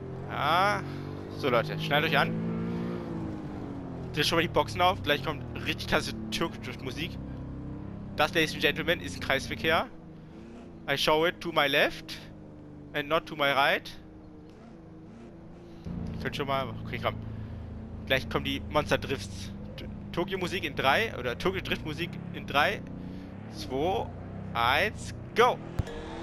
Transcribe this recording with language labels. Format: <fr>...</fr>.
<de>Ja. So Leute, schnallt euch an. Schon mal die Boxen auf, gleich kommt richtig krasse Türk-Drift-Musik. Das,</de> <en>Ladies and Gentlemen,</en> <de>ist ein Kreisverkehr.</de> <en>I show it to my left and not to my right.</en> <de>Ich könnte schon mal. Okay, komm. Gleich kommen die Monster-Drifts. Tokio-Musik in 3 oder Tokio-Drift-Musik in 3, 2, 1, go!</de> <en>We'll be right back.</en>